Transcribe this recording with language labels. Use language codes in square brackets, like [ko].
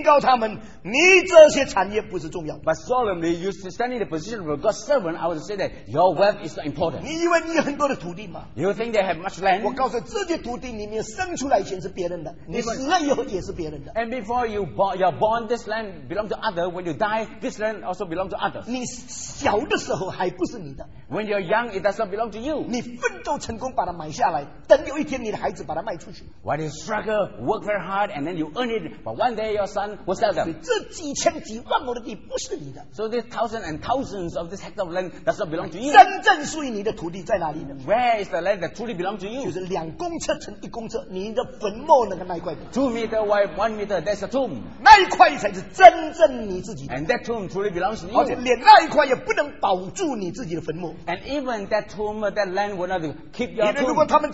[zh] 我要以神仆人的身份，严肃地警告他们，你这些产业不是重要。 [en] But solemnly, standing in the position of a God's servant, I would say that your wealth is not important. [zh] 你以为你有很多的土地吗？ [en] You think they have much land? [zh] 我告诉你。这些土地里面生出来钱是别人的，你死了以后也是别人的。 [en] And before you are born, this land belongs to others. When you die, this land also belongs to others. [zh] 你小的时候还不是你的。 [en] When you're young, it does not belong to you. [zh] 你奋斗成功把它买下来，等有一天你的孩子把它卖出去。 [en] While you struggle, work very hard, and then you earn it, but one day your son will sell them. [zh] 这几千几万亩的地不是你的。 [en] So these thousands and thousands of this hectare of land does not belong to you. [zh] 真正属于你的土地在哪里呢？ [en] Where is the land that truly belongs to you? [zh] 2公尺乘1公尺，你的坟墓那个那一块 [en] 2 meter wide, 1 meter that's a tomb. [zh] 那一块才是真正你自己。 [en] And that tomb truly belongs to you. [zh] 而且连那一块也不能保住你自己的坟墓。 [en] And even that tomb, that land will not keep your tomb.